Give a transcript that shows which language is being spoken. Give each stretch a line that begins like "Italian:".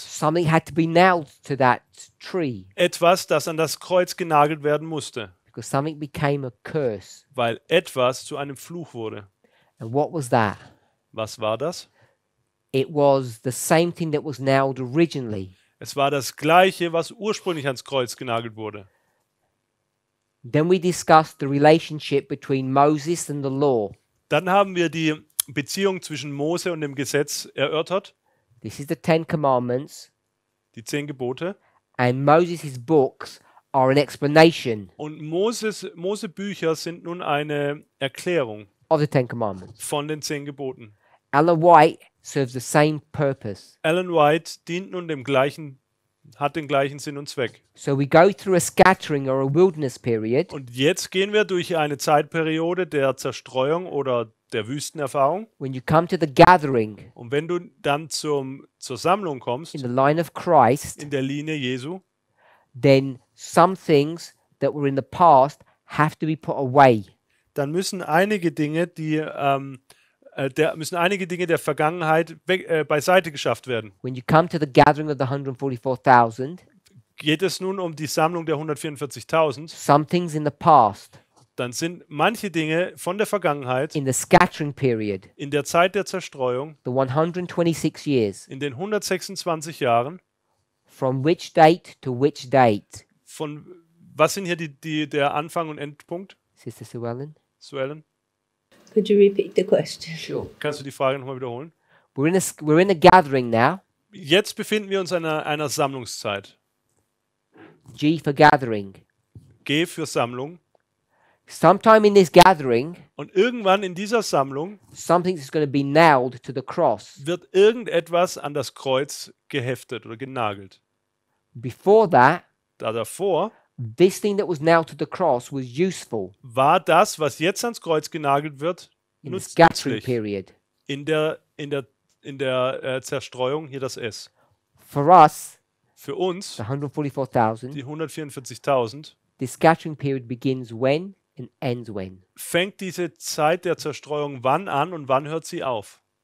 English: something had to be nailed to that tree.
German: Etwas, das an das Kreuz genagelt werden musste.
English: Because something became a curse.
German: Weil etwas zu einem Fluch wurde.
English: And what was that?
German: Was war das?
English: It was the same thing that was nailed originally.
German: Es war das Gleiche, was ursprünglich ans Kreuz genagelt wurde.
English: Then we discussed the relationship between Moses and the law.
German: Dann haben wir die Beziehung zwischen Mose und dem Gesetz erörtert.
English: This is the Ten Commandments.
German: Die 10 Gebote.
English: And Moses' books are an explanation.
German: Und Mose Bücher sind nun eine Erklärung.
English: Of the Ten Commandments.
German: Von den 10 Geboten.
English: Ellen White serves the same purpose.
German: Ellen White dient nun dem gleichen, hat den gleichen Sinn und Zweck.
English: So we go through a scattering or a wilderness period.
German: Und jetzt gehen wir durch eine Zeitperiode der Zerstreuung oder der Wüstenerfahrung.
English: When you come to the gathering.
German: Und wenn du dann zur Sammlung kommst.
English: In the line of Christ.
German: In der Linie Jesu.
English: Then some things that were in the past have to be put away.
German: Dann müssen einige Dinge, die müssen einige Dinge der Vergangenheit beiseite geschafft werden.
English: When you come to the gathering of the 144,000,
German: geht es nun um die Sammlung der 144,000.
English: Some things in the past.
German: Dann sind manche Dinge von der Vergangenheit.
English: In the scattering period.
German: In der Zeit der Zerstreuung.
English: The 126 years.
German: In den 126 Jahren.
English: From which date to which date?
German: Von was sind hier der Anfang und Endpunkt?
English: Sister Sue Ellen.
German: Sue Ellen.
English: Could you repeat the question? Sure.
German: Kannst du die Frage nochmal wiederholen?
English: We're in a gathering now.
German: Jetzt befinden wir uns in einer Sammlungszeit.
English: G for gathering.
German: G für Sammlung.
English: Sometime in this gathering.
German: Und irgendwann in dieser Sammlung.
English: Something is going to be nailed to the cross.
German: Wird irgendetwas an das Kreuz geheftet oder genagelt.
English: Before that.
German: Da davor.
English: This thing that was nailed to the cross was useful.
German: War das, was jetzt ans Kreuz genagelt wird, nützlich? In der Zerstreuung hier das S.
English: For us,
German: für uns,
English: the 144,000,
German: die 144,000.
English: The scattering period begins when and ends when.
German: Fängt diese Zeit der Zerstreuung wann an und wann hört sie auf?